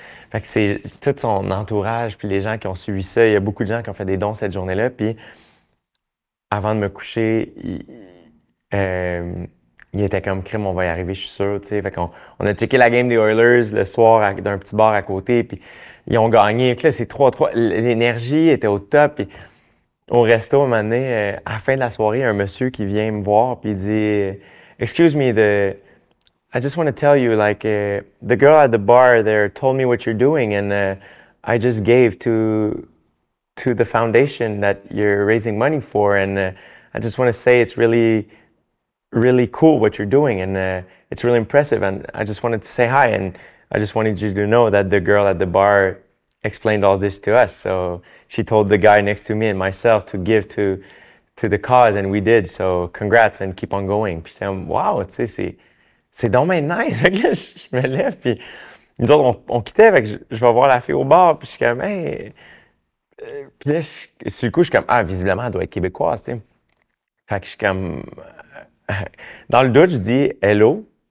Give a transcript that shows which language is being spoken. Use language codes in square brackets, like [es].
[fr] Fait que c'est tout son entourage, puis les gens qui ont suivi ça. Il y a beaucoup de gens qui ont fait des dons cette journée-là. Puis avant de me coucher, il était comme, crime, on va y arriver, je suis sûr. T'sais. Fait qu'on a checké la game des Oilers le soir d'un petit bar à côté, puis ils ont gagné. Puis là, c'est 3-3. L'énergie était au top. Puis au resto, un moment donné, à la fin de la soirée, un monsieur qui vient me voir, puis il dit, [en] excuse me, I just want to tell you, like, the girl at the bar there told me what you're doing, and I just gave to the foundation that you're raising money for, and I just want to say it's really, really cool what you're doing, and it's really impressive, and I just wanted to say hi, and I just wanted you to know that the girl at the bar explained all this to us, so she told the guy next to me and myself to give to the cause, and we did, so congrats, and keep on going. [fr] Puis j'étais, wow, tu sais, c'est donc bien nice. Fait que là, je me lève, puis nous autres, on quittait, fait que je vais voir la fille au bar, puis je suis comme, hey. Puis là, sur le coup, je suis comme, ah, visiblement, elle doit être québécoise, tu sais. Fait que je suis comme, dans le doute, je dis hello.